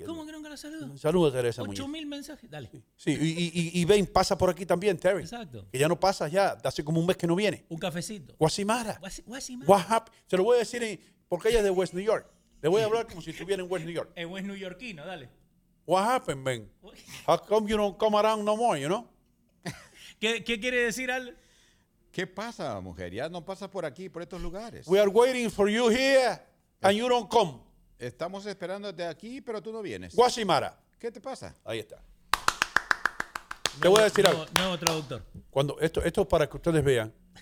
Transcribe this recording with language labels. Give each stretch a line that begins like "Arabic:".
Spanish: ¿Cómo que nunca la saludas? Saluda a Teresa Muñiz. 8,000 mensajes, dale. Sí, y ven, pasa por aquí también, Terry. Exacto. Que ya no pasa ya, hace como un mes que no viene. Un cafecito. Guasimara. Guasimara. Se lo voy a decir porque ella es de West New York. Le voy a hablar como si estuviera en West New York. En West New Yorkino, dale.
English: What happened, Ben? How come you don't come around no more, you know?
Spanish: ¿Qué quiere decir, Al? ¿Qué pasa, mujer? Ya no pasa por aquí, por estos lugares.
English: We are waiting for you here. And you don't come.
Spanish: Estamos esperándote aquí, pero tú no vienes. Guasimara. ¿Qué te pasa? Ahí está. Te voy a decir algo. Nuevo traductor. Esto es para que ustedes vean.